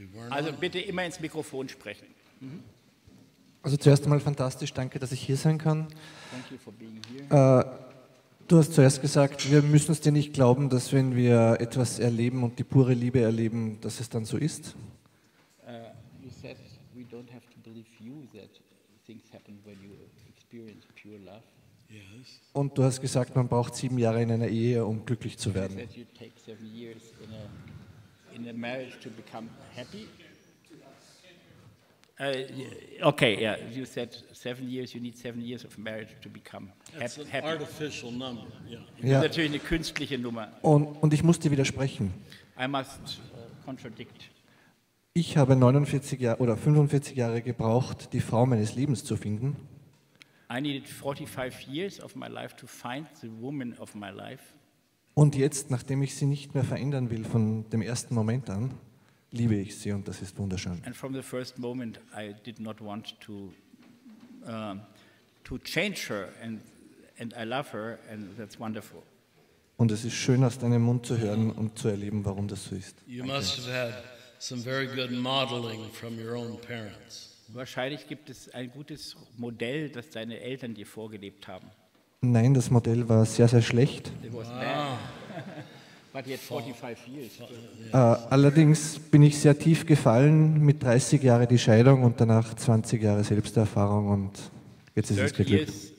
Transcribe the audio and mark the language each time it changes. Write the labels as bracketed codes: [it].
[de] Also bitte immer ins Mikrofon sprechen. Also zuerst einmal fantastisch, danke, dass ich hier sein kann. [en] Thank you for being here. [de] Du hast zuerst gesagt, wir müssen es dir nicht glauben, dass wenn wir etwas erleben und die pure Liebe erleben, dass es dann so ist. [en] You said we don't have to believe you that things happen when you experience pure love. Yes. [de] Und du hast gesagt, man braucht 7 Jahre in einer Ehe, um glücklich zu werden. [en] You said you take 7 years in a marriage to become happy. Okay, yeah. You said 7 years. You need 7 years of marriage to become happy. That's an artificial number. Yeah. [de] Ja. Das ist natürlich eine künstliche Nummer. Und ich muss dir widersprechen. [en] I must contradict. [de] Ich habe 49 Jahre oder 45 Jahre gebraucht, die Frau meines Lebens zu finden. [en] I needed 45 years of my life to find the woman of my life. [de] Und jetzt, nachdem ich sie nicht mehr verändern will von dem ersten Moment an, liebe ich sie, und das ist wunderschön. [en] And from the first moment I did not want to change her, and And I love her, and that's wonderful. [de] Und es ist schön, aus deinem Mund zu hören und zu erleben, warum das so ist. [en] You must have had some very good modeling from your own parents. [de] Wahrscheinlich gibt es ein gutes Modell, das deine Eltern dir vorgelebt haben. Nein, das Modell war sehr, sehr schlecht. [en] But yet 45 years. [de] Allerdings bin ich sehr tief gefallen mit 30 Jahren die Scheidung und danach 20 Jahre Selbsterfahrung und jetzt ist es geglückt.